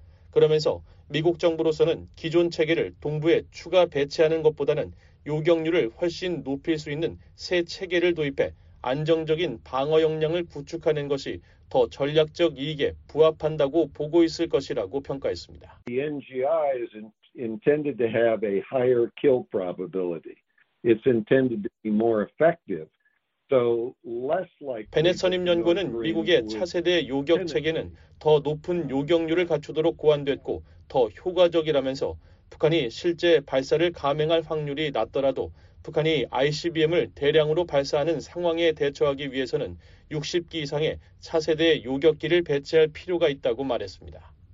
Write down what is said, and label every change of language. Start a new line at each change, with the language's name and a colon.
Korean: 그러면서 미국 정부로서는 기존 체계를 동부에 추가 배치하는 것보다는 요격률을 훨씬 높일 수 있는 새 체계를 도입해 안정적인 방어 역량을 구축하는 것이 더 전략적 이익에 부합한다고 보고 있을 것이라고 평가했습니다.
English: The NGI is intended to have a higher kill probability. It's intended to be more effective. So less likely.
Korean: 베넷 선임연구원은 미국의 차세대 요격 체계는 더 높은 요격률을 갖추도록 고안됐고 더 효과적이라면서 북한이 실제 발사를 감행할 확률이 낮더라도 북한이 ICBM을 대량으로 발사하는 상황에 대처하기 위해서는 60기 이상의 차세대 요격기를 배치할 필요가 있다고 말했습니다.